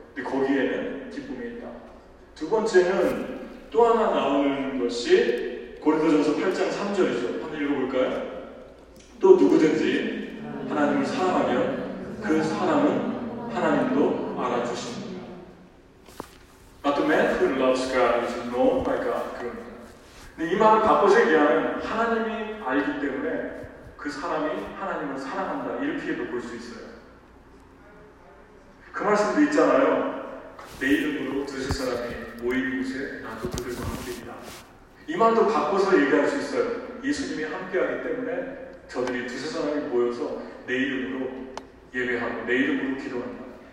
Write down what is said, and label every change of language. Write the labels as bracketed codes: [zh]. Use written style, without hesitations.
[ko] 거기에는 기쁨이 있다. 두 번째는 또 하나 나오는 것이 고린도전서 8장 3절이죠. 한번 읽어볼까요? 또 누구든지 하나님을 사랑하면 그 사람은 하나님도 알아주십니다. [en] But the man who loves God is known by God. [ko] 근데 이 말을 바꿔서 얘기하면 하나님이 알기 때문에 그 사람이 하나님을 사랑한다. 이렇게도 볼 수 있어요. 그 말씀도 있잖아요. 내 이름으로 드실 사람이 모인 곳에 나도 그들과 함께 있다. 이 말도 바꿔서 얘기할 수 있어요. 예수님이 함께하기 때문에 저들이 드실 사람이 모여서 내 이름으로 예배하고 내 이름으로 기도한다.